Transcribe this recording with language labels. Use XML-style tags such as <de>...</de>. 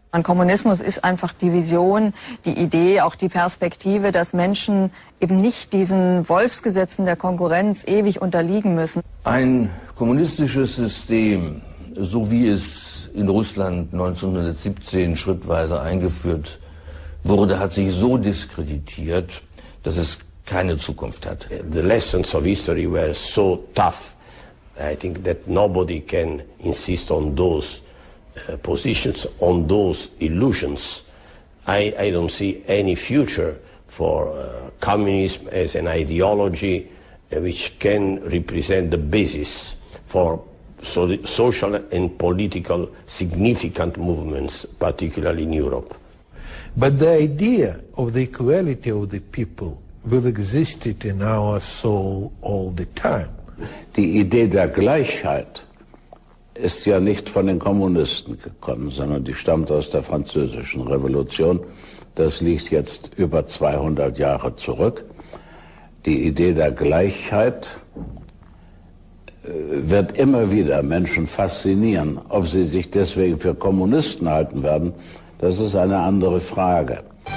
<de>Ein Kommunismus ist einfach die Vision, die Idee, auch die Perspektive, dass Menschen eben nicht diesen Wolfsgesetzen der Konkurrenz ewig unterliegen müssen. Ein kommunistisches System, so wie es in Russland 1917 schrittweise eingeführt wurde, hat sich so diskreditiert, dass es keine Zukunft hat.</de> <en>The lessons of history were so tough, I think that nobody can insist on those positions, on those illusions. I don't see any future for communism as an ideology which can represent the basis for so the social and political significant movements, particularly in Europe. But the idea of the equality of the people will exist in our soul all the time.</en> <de>Die Idee der Gleichheit ist ja nicht von den Kommunisten gekommen, sondern die stammt aus der Französischen Revolution. Das liegt jetzt über 200 Jahre zurück. Die Idee der Gleichheit wird immer wieder Menschen faszinieren. Ob sie sich deswegen für Kommunisten halten werden, das ist eine andere Frage.</de>